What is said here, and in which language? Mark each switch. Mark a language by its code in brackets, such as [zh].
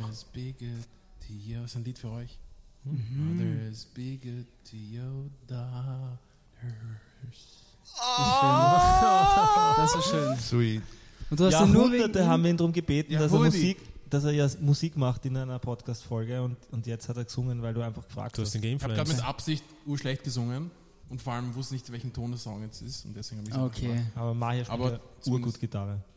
[en] Mothers be good to your, [de] das ist ein Lied für euch. Mhm. [en] Mothers be good to your daughters. [de] Oh. Das ist schön. [en] Sweet. [de] Und du hast Hunderte haben ihn darum gebeten, dass er Musik macht in einer Podcast-Folge und jetzt hat er gesungen, weil du einfach gefragt hast. Du hast den Gameplay. Ich habe mit Absicht urschlecht gesungen. Und vor allem wusste nicht, welchen Ton der Song jetzt ist. Und deswegen habe ich es auch gemacht. Aber Maja spielt urgut Gitarre.